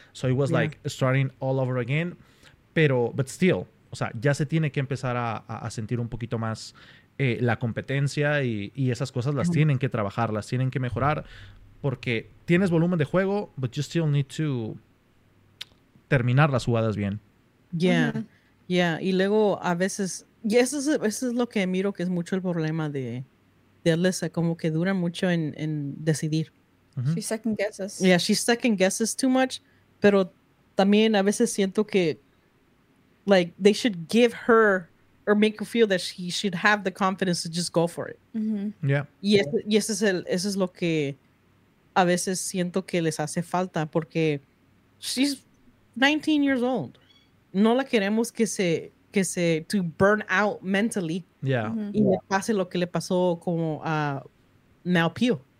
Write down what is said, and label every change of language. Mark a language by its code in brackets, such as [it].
[en] So it was like starting all over again. But still, [es] o sea, ya se tiene que empezar a sentir un poquito más la competencia y esas cosas las tienen que trabajar, las tienen que mejorar, porque tienes volumen de juego, [en] but you still need to [es] terminar las jugadas bien. Y luego a veces... Y eso es lo que miro que es mucho el problema de Alyssa, como que dura mucho en decidir. [en] Uh-huh. She second guesses. Yeah, she second guesses too much, [es] pero también a veces siento que, [en] like, they should give her or make her feel that she should have the confidence to just go for it. Mm-hmm. Yeah. [es] Y eso es lo que a veces siento que les hace falta, porque [en] she's 19 years old. [es] No la queremos que se to burn out mentally. [en] Yeah. [es] Mm-hmm. Y le pase lo que le pasó como a Mel Pugh.